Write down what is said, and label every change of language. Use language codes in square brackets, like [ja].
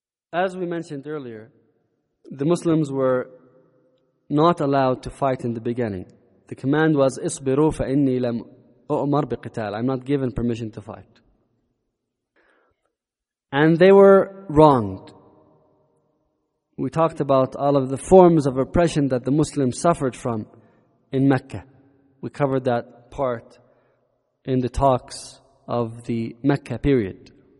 [en] As we mentioned earlier, the Muslims were not allowed to fight in the beginning. The command was, [ar] اصبروا فإني لم أؤمر بقتال. [en] I'm not given permission to fight. And they were wronged. We talked about all of the forms of oppression that the Muslims suffered from in Mecca. We covered that part in the talks of the Mecca period.